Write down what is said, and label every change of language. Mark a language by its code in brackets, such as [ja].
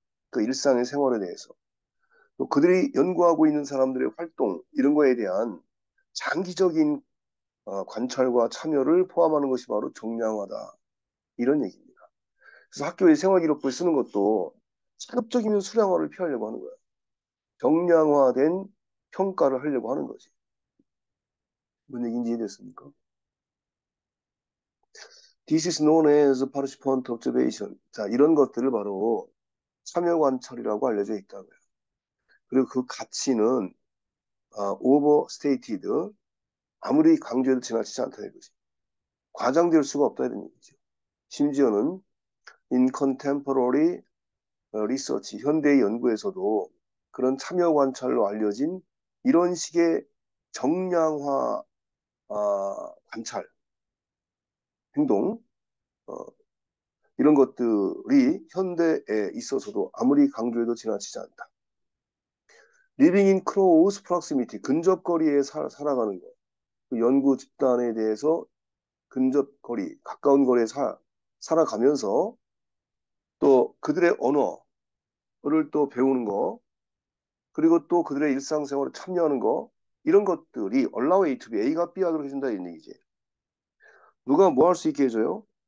[ko] 그 일상의 생활에 대해서. 또 그들이 연구하고 있는 사람들의 활동 이런 거에 대한 장기적인 관찰과 참여를 포함하는 것이 바로 정량화다. 이런 얘기입니다. 그래서 학교의 생활기록부에 쓰는 것도 자급적이면 수량화를 피하려고 하는 거야. 정량화된 평가를 하려고 하는 거지. 무슨 얘기인지 이해됐습니까? [en] This is known as participant observation. [ko] 자, 이런 것들을 바로 참여 관찰이라고 알려져 있다고요. 그리고 그 가치는 overstated. 아무리 강조해도 지나치지 않다 이거지. 과장될 수가 없다 이런 얘기죠. 심지어는 [en] in contemporary research, [ko] 현대의 연구에서도 그런 참여 관찰로 알려진 이런 식의 정량화 관찰 행동 이런 것들이 현대에 있어서도 아무리 강조해도 지나치지 않다. [en] Living in close proximity, 근접거리에 살아가는 것. [ko] 연구 집단에 대해서 근접거리, 가까운 거리에 살아가면서 또 그들의 언어를 또 배우는 거, 그리고 또 그들의 일상생활에 참여하는 거, 이런 것들이 [en] allow A to B, [ko] A가 B 하도록 해준다 이런 얘기지. 누가 뭐할수 있게 해줘요?